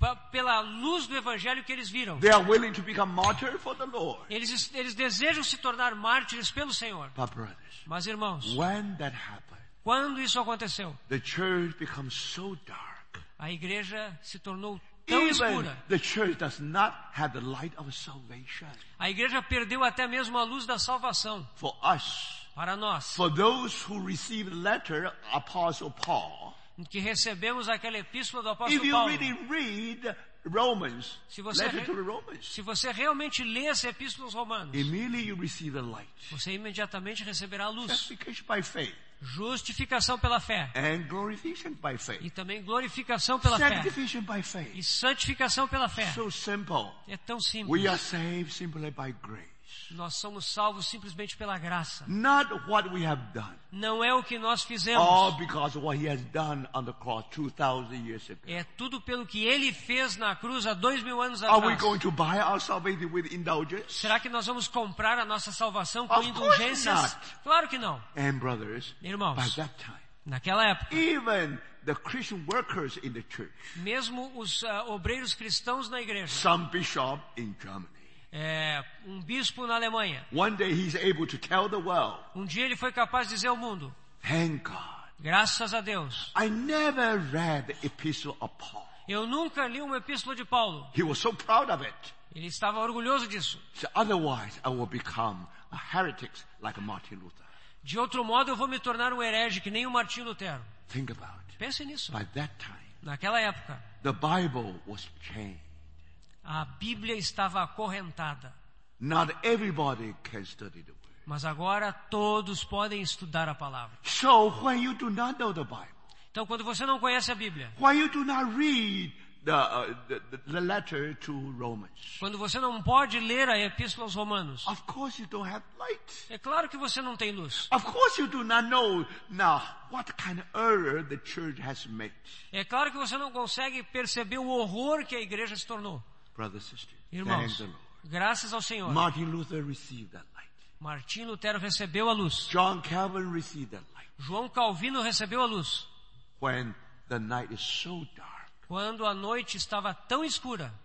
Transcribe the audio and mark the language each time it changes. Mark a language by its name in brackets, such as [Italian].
[Portuguese] Pela luz do evangelho que eles viram. [English] They are willing to become martyr for the Lord. [Portuguese] Eles desejam se tornar mártires pelo Senhor. [English] But brothers, [Portuguese] mas irmãos, [English] when that happened, [Portuguese] quando isso aconteceu, [English] the church becomes so dark, [Portuguese] a igreja se tornou tão [English] even [Portuguese] escura. [English] The church does not have the light of salvation. [Portuguese] A igreja perdeu até mesmo a luz da salvação. [English] For us, [Portuguese] para nós, [English] for those who received the letter, Apostle Paul, [Portuguese] que recebemos aquela epístola do apóstolo Paulo. [English] If you Paulo, really read Romans, letter to the Romans, [Portuguese] se você realmente lê essa epístola aos Romanos, [English] immediately you receive the light. [Portuguese] Você imediatamente receberá a luz. [English] Justification by faith. [Portuguese] Justificação pela fé. [English] And glorification by faith. [Portuguese] E também glorificação pela fé. [English] Sanctification by faith. [Portuguese] E santificação pela fé. [English] So simple. [Portuguese] É tão simples. [English] We are saved simply by grace. [Portuguese] Nós somos salvos simplesmente pela graça. [English] Not what we have done. [Portuguese] Não é o que nós fizemos. [English] All because of what he has done on the cross 2000 years ago. [Portuguese] É tudo pelo que ele fez na cruz há 2000 anos atrás. [English] Are we going to buy our salvation with indulgence? [Portuguese] Será que nós vamos comprar a nossa salvação com indulgências? Claro que não. [English] And brothers, [Portuguese] irmãos, [English] by that time, [Portuguese] naquela época, [English] even the Christian workers in the church, [Portuguese] mesmo os obreiros cristãos na igreja, [English] some bishop in Germany, [Portuguese] um bispo na Alemanha. [English] One day he's able to tell the world, [Portuguese] um dia ele foi capaz de dizer ao mundo, [English] thank God, [Portuguese] graças a Deus, [English] I never read the epistle of Paul. [Portuguese] Eu nunca li uma epístola de Paulo. [English] He was so proud of it. [Portuguese] Ele estava orgulhoso disso. [English] So otherwise I will become a heretic like Martin Luther. [Portuguese] De outro modo eu vou me tornar um herege que nem o Martin Lutero. [English] Think about it. [Portuguese] Pense nisso. [English] By that time, [Portuguese] naquela época, [English] the Bible was changed. [Portuguese] A Bíblia estava acorrentada. [English] Not everybody can study the word. [Portuguese] Mas agora todos podem estudar a palavra. [English] So when you do not know the Bible, [Portuguese] então quando você não conhece a Bíblia, [English] when you do not read the letter to Romans, [Portuguese] quando você não pode ler a Epístola aos Romanos, [English] of course you don't have light. [Portuguese] É claro que você não tem luz. [English] Of course you do not know now what kind of error the church has made. [Portuguese] É claro que você não consegue perceber o horror que a igreja se tornou. [English] Brothers and sisters, [Portuguese] irmãos, [English] thank the Lord. [Portuguese] Graças ao Senhor. [English] Martin Luther received that light. [Portuguese] Martin Lutero recebeu a luz. [English] John Calvin received that light. [Portuguese] João Calvino recebeu a luz. [English] When the night is so dark. [Portuguese] Quando a noite estava tão escura.